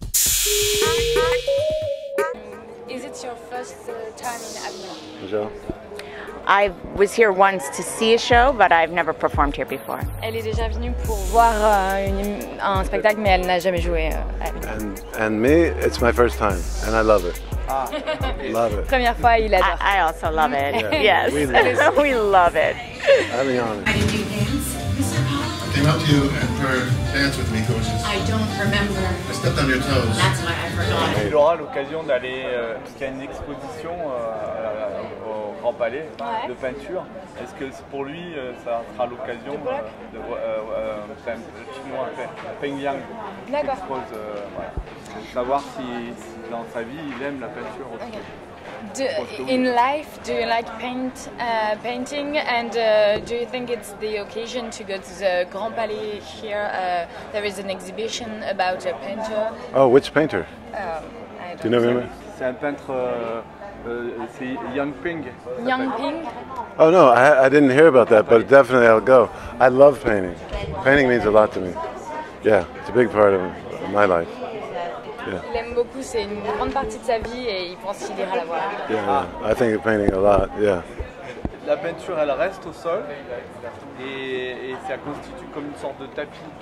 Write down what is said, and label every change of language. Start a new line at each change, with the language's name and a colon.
English: Is it your first time in Avignon?
French: Bonjour.
English: I was here once to see a show, but I've never performed here before.
French: Elle est déjà venue pour voir un spectacle, mais elle n'a jamais joué à Avignon.
English: And me, it's my first time, and I love it. Love it.
French: Première fois, il adore.
English: I also love it. Yeah. Yes, we love it. Avignon. Came up to you and for dance with me, coaches. I don't remember. I stepped on your toes. That's why I forgot.
French: Il aura l'occasion d'aller jusqu'à une exposition au Grand Palais de peinture. Est-ce que pour lui, ça sera l'occasion de voir le chinois Peng Yang qui expose, savoir si dans sa vie il aime la peinture aussi.
English: Okay. In life, do you like painting, and do you think it's the occasion to go to the Grand Palais here? There is an exhibition about a painter. Oh, which painter? Do you know him?
French: C'est un peintre, c'est Yang Ping.
English: Yang Ping? Oh no, I didn't hear about that, but definitely I'll go. I love painting. Painting means a lot to me. Yeah, it's a big part of my life.
French: Il aime beaucoup, c'est une grande partie de sa vie et il pense qu'il ira la voir.
English: Yeah, I think you're painting a lot, yeah.
French: La peinture, elle reste au sol et ça constitue comme une sorte de tapis.